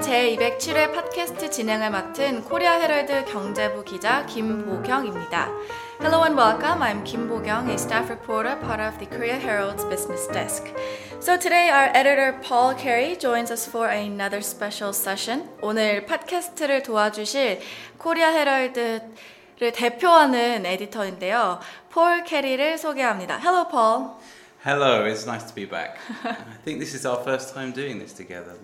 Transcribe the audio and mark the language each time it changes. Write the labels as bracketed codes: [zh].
[ko] 제207회 팟캐스트 진행을 맡은 코리아 헤럴드 경제부 기자 김보경입니다. [en] Hello and welcome. I'm Kim Bo-kyung, a staff reporter part of the Korea Herald's business desk. So today our editor Paul Carey joins us for another special session. [ko] 오늘 팟캐스트를 도와주실 코리아 헤럴드를 대표하는 에디터인데요. 폴 캐리를 소개합니다. [en] Hello, Paul. Hello, it's nice to be back. I think this is our first time doing this together.